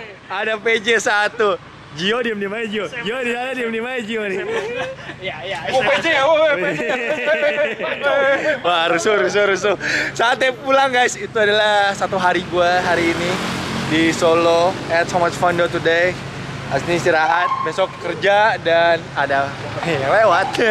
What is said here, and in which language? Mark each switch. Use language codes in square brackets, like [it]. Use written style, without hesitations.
[id] Ada PJ satu. Gio diem-diem aja Gio. Gio di sana diem-diem aja Gio nih. Iya. Oh PJ ya, oh PJ. Wah rusuh. Saatnya pulang guys, itu adalah satu hari gue hari ini. [en] Di Solo, I had so much fun though today. [id] Asli istirahat, besok kerja dan ada yang lewat.